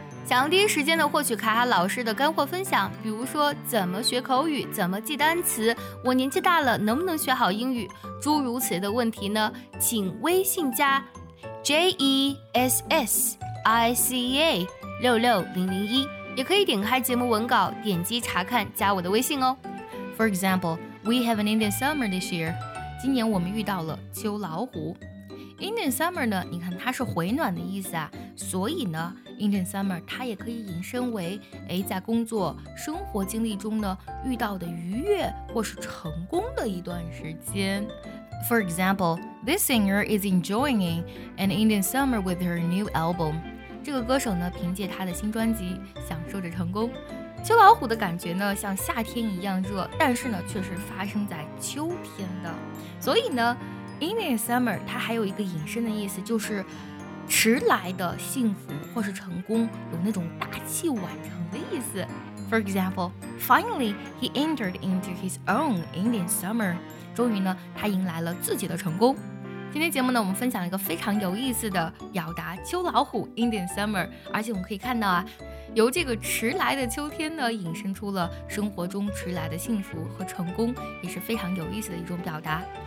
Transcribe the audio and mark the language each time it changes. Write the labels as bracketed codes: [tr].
[zh] 想要第一时间的获取卡卡老师的干货分享，比如说怎么学口语，怎么记单词，我年纪大了能不能学好英语，诸如此类的问题呢，请微信加 JESSICA66001，也可以点开节目文稿，点击查看，加我的微信哦。 [en] For example, we have an Indian summer this year. [zh] 今年我们遇到了秋老虎。Indian summer 呢，你看它是回暖的意思啊，所以呢 ，Indian summer 它也可以引申为，在工作生活经历中呢遇到的愉悦或是成功的一段时间。 [en] For example, this singer is enjoying an Indian summer with her new album. [zh] 这个歌手呢凭借他的新专辑享受着成功。秋老虎的感觉呢像夏天一样热，但是呢却是发生在秋天的，所以呢 Indian Summer 它还有一个引申的意思，就是迟来的幸福或是成功，有那种大器晚成的意思。 [en] For example, finally he entered into his own Indian Summer. [zh] 终于呢他迎来了自己的成功。今天节目呢我们分享一个非常有意思的表达秋老虎 Indian Summer， 而且我们可以看到啊由这个迟来的秋天呢引申出了生活中迟来的幸福和成功，也是非常有意思的一种表达。